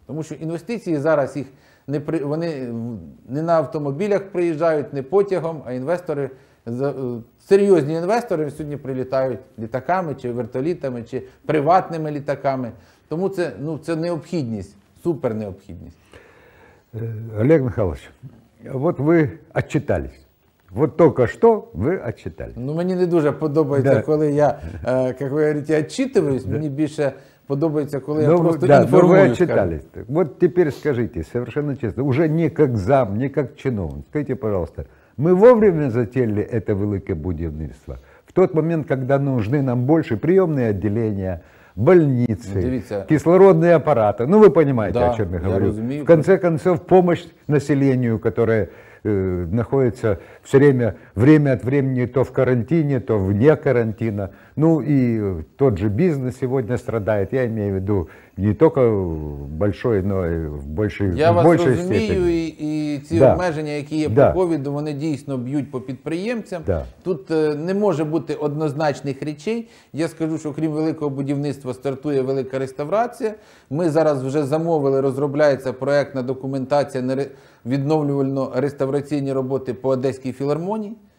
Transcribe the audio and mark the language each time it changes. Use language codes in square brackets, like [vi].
[uk] Тому що інвестиції зараз їх вони не на автомобілях приїжджають, не потягом, а інвестори, серйозні інвестори сьогодні прилітають літаками, чи вертолітами, чи приватними літаками. Тому це необхідність, супер необхідність. Олег Михайлович, от ви відчитались. [ru] Вот только что вы отчитали. Ну, мне не [uk] дуже подобається, [ru] да. [uk] Коли я, [ru] как вы говорите, отчитываюсь, да. Мне больше подобается, коли я просто информую. Вы отчитались. Вот теперь скажите, совершенно честно, уже не как зам, не как чиновник, скажите, пожалуйста, мы вовремя затеяли это великое будівництво? В тот момент, когда нужны нам больше приемные отделения, больницы, [uk] дивіться, [ru] кислородные аппараты, ну, вы понимаете, да, о чем я говорю. [uk] Розумію, [ru] в конце концов, помощь населению, которое находится все время, время от времени то в карантине, то вне карантина. Ну и тот же бизнес сегодня страдает. Я имею в виду не только большой, но и в большей степени. [uk] Я вас розумію, и ці обмеження, які є по ковіду, вони дійсно б'ють по підприємцям. [ru] Да. [uk] Тут не може бути однозначних речей. Я скажу, що крім великого будівництва стартує велика реставрація. Ми зараз вже замовили, розробляється проєктна документація на відновлювально-реставраційні роботи по Одеській філармонії.